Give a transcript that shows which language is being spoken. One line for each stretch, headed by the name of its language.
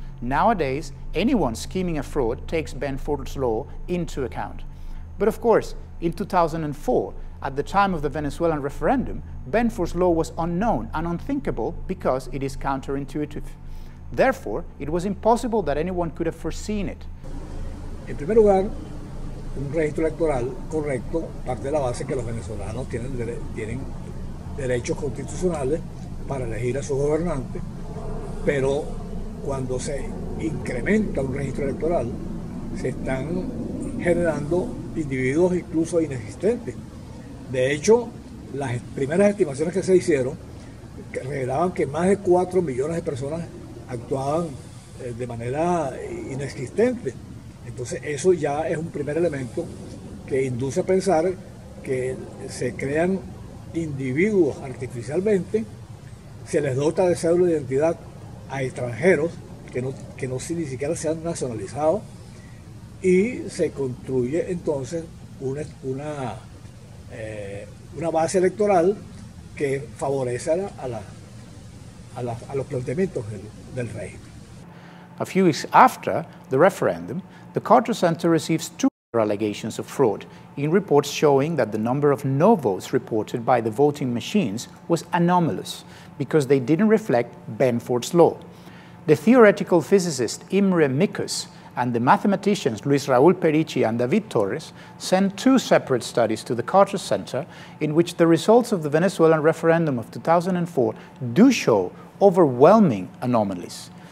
English: Nowadays, anyone scheming a fraud takes Benford's law into account. But of course, in 2004, at the time of the Venezuelan referendum, Benford's law was unknown and unthinkable because it is counterintuitive. Therefore, it was impossible that anyone could have foreseen it.
Spanish: En primer lugar, un registro electoral correcto parte de la base que los venezolanos tienen derechos constitucionales para elegir a sus gobernantes, pero cuando se incrementa un registro electoral, se están generando individuos incluso inexistentes. De hecho, las primeras estimaciones que se hicieron revelaban que más de 4 millones de personas actuaban de manera inexistente. Entonces, eso ya es un primer elemento que induce a pensar que se crean individuos artificialmente, se les dota de cédula de identidad a extranjeros que no ni siquiera se han nacionalizado y se construye entonces una base electoral que favorece a los planteamientos del rey.
English: A few weeks after the referendum, the Carter Center receives two allegations of fraud in reports showing that the number of no votes reported by the voting machines was anomalous because they didn't reflect Benford's law. The theoretical physicist Imre Mikus and the mathematicians Luis Raúl Perici and David Torres sent two separate studies to the Carter Center in which the results of the Venezuelan referendum of 2004 do show overwhelming anomalies.